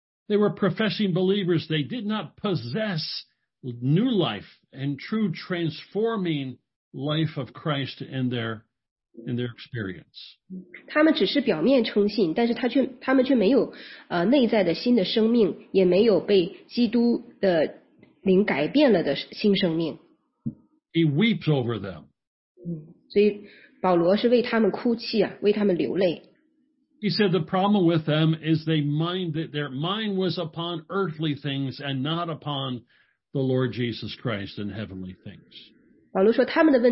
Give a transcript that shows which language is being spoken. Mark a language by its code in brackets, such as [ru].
[en] They were professing believers. They did not possess new life and true transforming life of Christ in their experience. [zh] 他们只是表面称信，但是他却没有内在的新的生命，也没有被基督的灵改变了的新生命。 [en] He weeps over them. [zh] 所以保罗是为他们哭泣啊，为他们流泪。 [en] He said the problem with them is their mind was upon earthly things and not upon the Lord Jesus Christ and heavenly things.